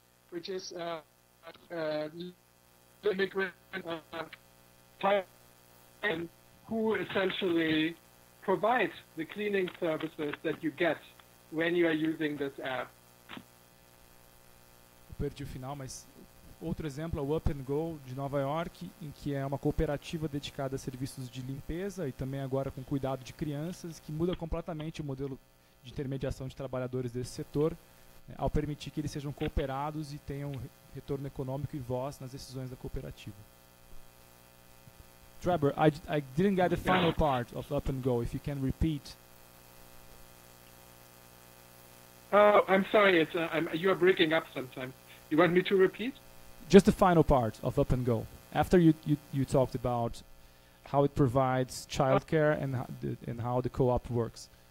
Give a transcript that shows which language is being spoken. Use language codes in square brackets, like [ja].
[en] Which is the immigrant and who essentially provide the cleaning services that you get when you are using this app. [pt] Eu perdi o final, mas outro exemplo é o Up and Go de Nova York, em que é uma cooperativa dedicada a serviços de limpeza e também agora com cuidado de crianças, que muda completamente o modelo de intermediação de trabalhadores desse setor, ao permitir que eles sejam cooperados e tenham retorno econômico e voz nas decisões da cooperativa. [en] Trevor, I didn't get the final part of Up and Go, if you can repeat. Oh, I'm sorry, you are breaking up sometimes. You want me to repeat? Just the final part of Up and Go. After you talked about how it provides childcare and how the co-op works.